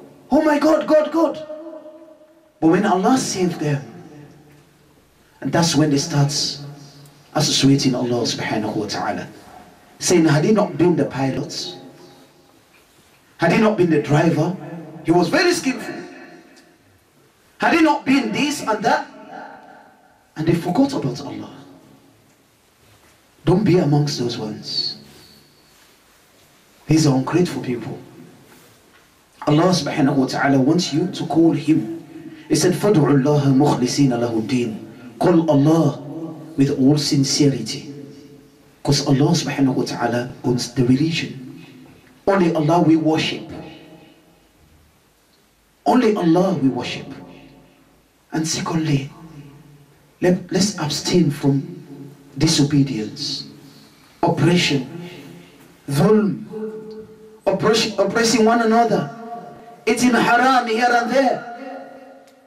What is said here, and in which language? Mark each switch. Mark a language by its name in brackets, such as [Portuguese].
[English] Oh my God, God, God. But when Allah saved them, and that's when they start associating Allah subhanahu wa ta'ala, saying, had he not been the pilot, had he not been the driver, he was very skillful, had he not been this and that, and they forgot about Allah. Don't be amongst those ones. These are ungrateful people. Allah subhanahu wa ta'ala wants you to call Him. He said, [Arabic] فَدْعُوا اللَّهَ مُخْلِصِينَ لَهُ الدِّينَ. [English] Call Allah with all sincerity. Because Allah subhanahu wa ta'ala owns the religion. Only Allah we worship. Only Allah we worship. And secondly, let's abstain from disobedience, oppression, zulm, oppressing one another, eating haram here and there.